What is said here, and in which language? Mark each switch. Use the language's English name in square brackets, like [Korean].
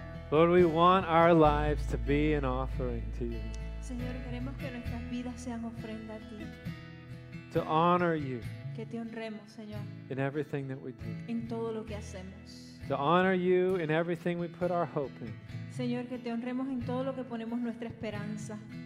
[English] Lord, we want our lives to be an offering to you. [Spanish] Señor, queremos que nuestras vidas sean ofrenda a ti. [English] To honor you. [Spanish] Que te honremos, Señor. [English] In everything that we do. [Spanish] En todo lo que hacemos. [English] To honor you in everything we put our hope in. [Spanish] Señor, que te honremos en todo lo que ponemos nuestra esperanza.